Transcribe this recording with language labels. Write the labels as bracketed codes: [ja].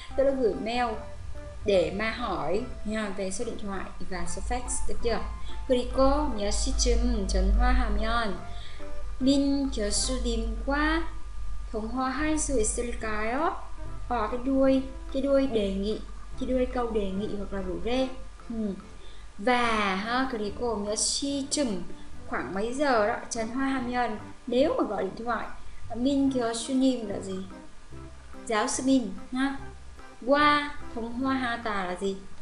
[vi] Tôi đã gửi mail để mà hỏi nha về số điện thoại và số fax, được chưa? [ko] 그리고 몇 시쯤 전화하면 민 교수님과 통화할 수 있을까요? [vi] Ở cái đuôi đề nghị, cái đuôi câu đề nghị hoặc là rủ rê. Và ha, [ko] 그리고 몇 시쯤, [vi] khoảng mấy giờ đó, 전화하면, nếu mà gọi điện thoại, 민 교수님 là gì? Giáo sư Min ha. Qua thông hoa ha tà là gì?